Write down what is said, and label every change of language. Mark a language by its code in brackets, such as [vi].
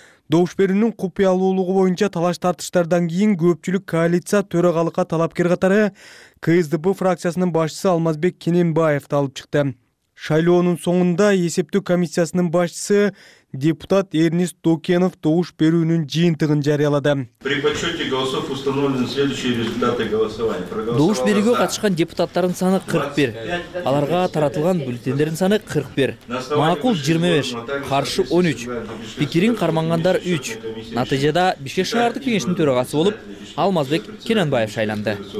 [ky] Добуш берүүнүн купуялуулугу боюнча талаш тартыштардан кийин көпчүлүк коалиция төрагалыкка талапкер катары КСДП фракциясынын башчысы Алмазбек Кененбаевди алып чыкты. Шайлоонун соңунда эсептөө комиссиясынын башчысы депутат Эрнис Докенов добуш берүүнүн жыйынтыгын жарыялады. [ru] При подсчете голосов установлены следующие результаты голосования. [ky] Добуш берүүгө катышкан депутаттардын саны 41. Аларга таратылган бюллетендердин саны 41. Макул 25, каршы 13. Пикирин кармангандар 3. Натыйжада Бишкек шаардык кеңештин төрагасы болуп Алмазбек Кененбаев шайланды.